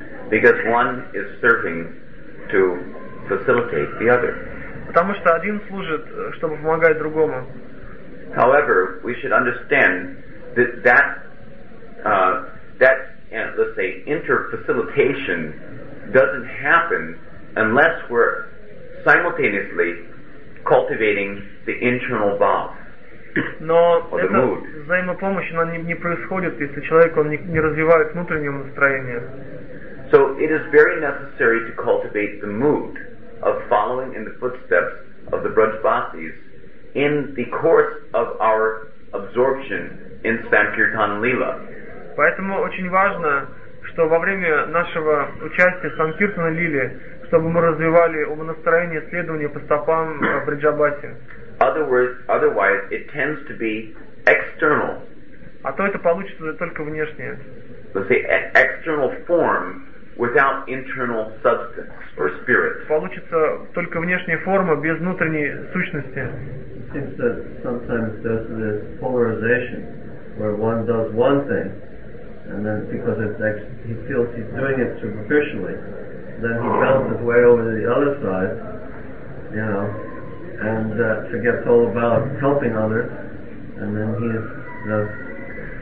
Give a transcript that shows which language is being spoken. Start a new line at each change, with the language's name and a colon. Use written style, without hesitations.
English: Because one is serving to facilitate the other.
Russian: Потому что один служит, чтобы помогать другому.
English: However, we should understand that inter-facilitation doesn't happen unless we're simultaneously cultivating the internal bhav.
Russian: Но эта взаимопомощь она не происходит, если человек он не развивает внутреннее настроение.
English: So it is very necessary to cultivate the mood of following in the footsteps of the Brajbasis in the course of our absorption in Sankirtan Lila.
Russian: Поэтому очень важно, что во время нашего участия в Санкиртана Лиле, чтобы мы развивали умонастроение, следование по стопам Бриджабаси.
English: Otherwise, it tends to be external.
Russian: А то это получится только внешнее.
English: Let's say external form without internal substance or spirit.
Russian: Получится только внешняя форма без внутренней сущности.
English: It seems that sometimes there's this polarization where one does one thing and then because he feels he's doing it superficially, then he bounces way over to the other side, you know, and forgets all about helping others, and then he is